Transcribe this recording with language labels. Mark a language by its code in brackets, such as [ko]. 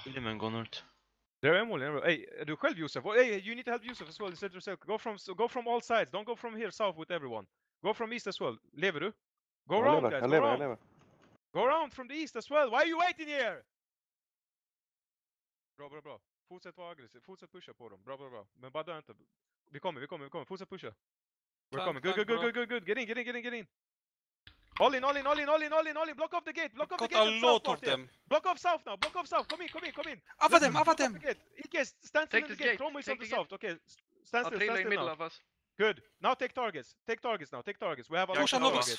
[en] Kill him and go north. There are Emily, hey, do help Yusuf. Hey, you need to help Yusuf as well, instead of yourself. Go from all sides, don't go from here south with everyone. Go from east as well, Leveru. Go around, guys. Go around from the east as well, why are you waiting here? [sv] Bra. Fortsätt vara aggressiv, fortsätt pusha på dem. Bra. Men bara dö inte. Vi kommer, fortsätt pusha. [en] We're coming, good. Get in. All in, block off the gate, block off got the gate. Got a lot of them. Block off south now, come in. Up at them. Off the gate. Ike, stand still in the gate, Chrome is on the south. Okay, stand still now. Middle of us. Good, now take targets. We have a lot of targets.